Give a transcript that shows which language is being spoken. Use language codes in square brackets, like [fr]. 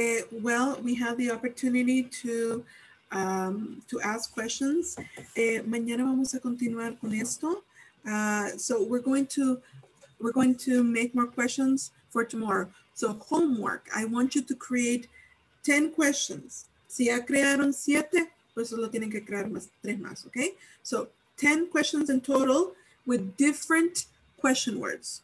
[en] Well, we have the opportunity to ask questions. [es] Mañana vamos a continuar con esto. [en] So we're going to make more questions for tomorrow. So homework. I want you to create 10 questions. [es] Si ya crearon 7, pues solo tienen que crear más 3 más. [en] Okay. So 10 questions in total with different question words.